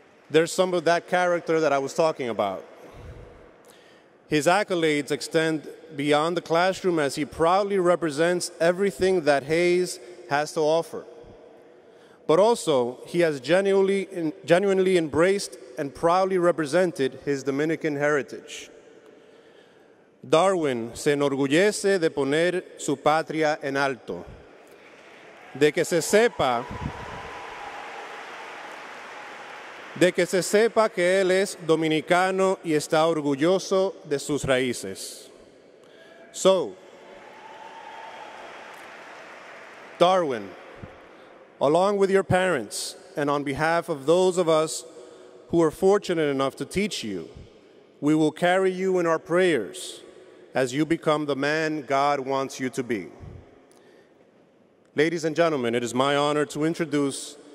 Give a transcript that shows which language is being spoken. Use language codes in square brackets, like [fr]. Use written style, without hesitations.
[en] There's some of that character that I was talking about. His accolades extend beyond the classroom as he proudly represents everything that Hayes has to offer. But also, he has genuinely embraced and proudly represented his Dominican heritage. [es] Darwin se enorgullece de poner su patria en alto, de que se sepa que él es dominicano y está orgulloso de sus raíces. [en] So, Darwin, along with your parents, and on behalf of those of us who are fortunate enough to teach you, we will carry you in our prayers as you become the man God wants you to be. Ladies and gentlemen, it is my honor to introduce